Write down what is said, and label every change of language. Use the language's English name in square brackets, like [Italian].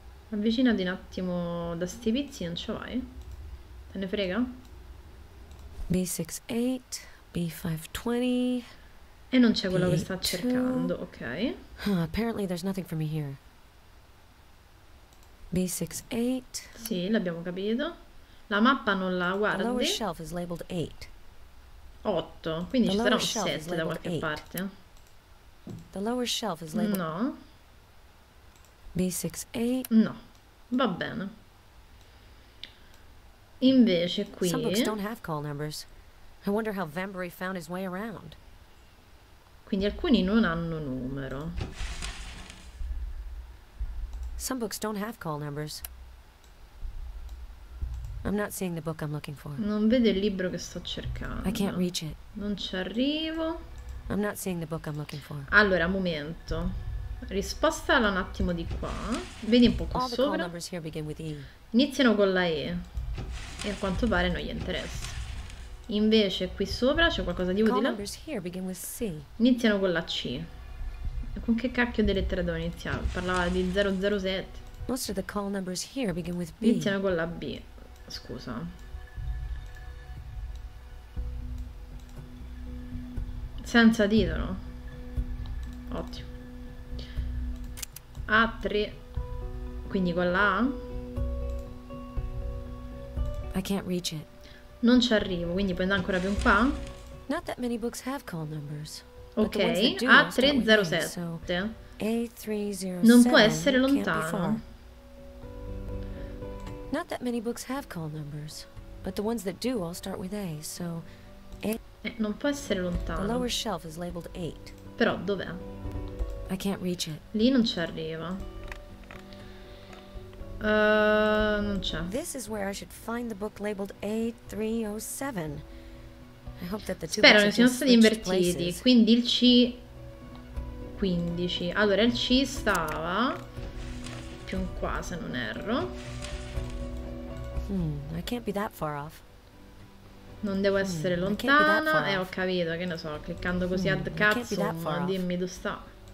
[Italian] Avvicinati un attimo da sti pizzi, non ci vai? Te ne frega? B68, B520... E non c'è quello B2. Che sta cercando, ok. [English] Apparently there's nothing for me here. B68... [Italian] Sì, l'abbiamo capito. La mappa non la guardi. [English] The lower shelf is labeled 8. [Italian] 8, quindi ci sarà un 7 da qualche parte. [English] The lower shelf is labeled... [Italian] No. B68... No. Va bene. Invece qui... [English] Some books don't have call numbers. I wonder how Vambery found his way around. [Italian] Quindi alcuni non hanno numero. [English] Some books don't have call numbers. I'm not seeing the book I'm looking for. [Italian] Non vede il libro che sto cercando. [English] I can't reach it. [Italian] Non ci arrivo. [English] I'm not seeing the book I'm looking for. [Italian] Allora, momento. Risposta un attimo di qua. Vedi un po' qua sopra. [English] All the call here begin with E. [Italian] Iniziano con la E. E a quanto pare non gli interessa. Invece qui sopra c'è qualcosa di utile. [English] Call here begin with C. [Italian] Iniziano con la C. Con che cacchio di lettera dove iniziamo? Parlava di 007. [English] Most of the call numbers here begin with B. [Italian] Iniziano con la B. Scusa. Senza titolo. Ottimo. A3. Quindi con la A. [English] I can't reach it. [Italian] Non ci arrivo, quindi puoi andare ancora più in qua. [English] Not that many books have call numbers. [Italian] Ok, A307. A307. Non può essere lontano. [English] Not that many books have call numbers, but the ones that do all start with A, so [Italian] non può essere lontano. [English] The lower shelf is labeled 8. [Italian] Però dov'è? [English] I can't reach it. [Italian] Lì non ci arriva. Non c'è. [English] This is where I should find the book labeled A307. I hope that the two [Italian] spero che siano stati invertiti. Quindi il C 15. Allora il C stava più in qua, se non erro. [English] I can't be that far off. [Italian] Non devo essere lontana. Ho capito, che ne so, cliccando così ad cazzo, dimmi dove sta.